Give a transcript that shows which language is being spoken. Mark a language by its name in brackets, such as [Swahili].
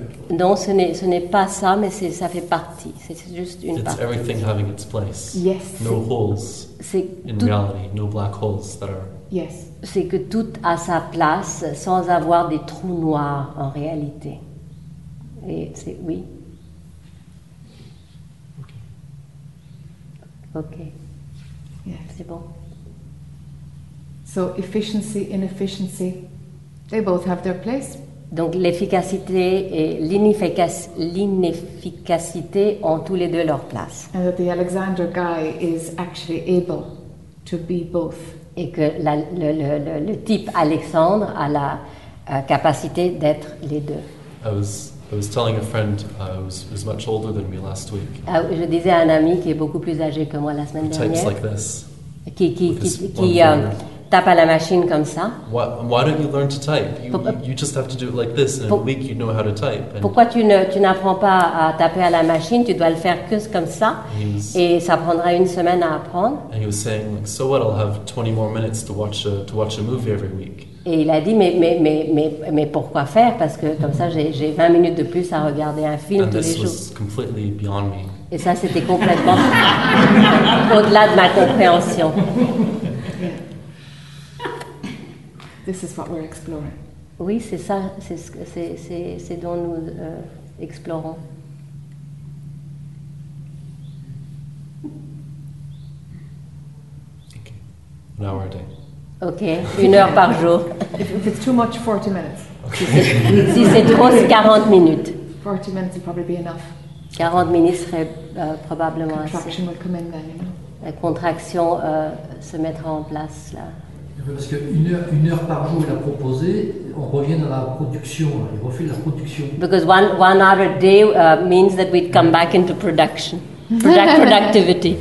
[French] Non, ce n'est pas ça, mais ça fait partie. C'est juste une partie. [English] It's everything having its place. Yes. No holes in reality, no black holes that are... Yes. [French] C'est que tout a sa place sans avoir des trous noirs en réalité. Et c'est oui. Ok. [English] Yes. [French] C'est bon. [English] So efficiency, inefficiency, they both have their place. [French] Donc l'efficacité et l'inefficacité ont tous les deux leur place. [English] And that the Alexander guy is actually able to be both. [French] Et que le type Alexandre a la capacité d'être les deux. [English] I was telling a friend who's much older than me last week. [French] Je disais à un ami qui est beaucoup plus âgé que moi la semaine dernière. [English] Types like this. [French] Qui tape à la machine comme ça. [English] Why don't you learn to type? You just have to do it like this, and in a week you know how to type. [French] Pourquoi tu n'apprends pas à taper à la machine? Tu dois le faire que comme ça, et ça prendra une semaine à apprendre. [English] And he was saying, like, so what? I'll have 20 more minutes to watch a movie every week. [French] Et il a dit, mais pourquoi faire? Parce que comme ça, j'ai 20 minutes de plus à regarder un film [English] and [French] tous les jours. [English] And this was completely beyond me. [French] Et ça, c'était complètement au-delà de ma compréhension. [English] This is what we're exploring. [French] Oui, c'est ça, c'est dont nous explorons. [English] Okay. An hour a day. [French] Okay, une heure par jour. [English] If it's too much, 40 minutes. [French] Okay. Si c'est trop, c'est 40 minutes. [English] 40 minutes would probably be enough. [French] 40 minutes serait probablement assez. [English] Contraction will come in then, you know. [French] La contraction se mettra en place là. Parce qu'une heure par jour, il a proposé, on revient dans la production, il refait la production. [English] Because one hour a day means that we'd come back into production, productivity.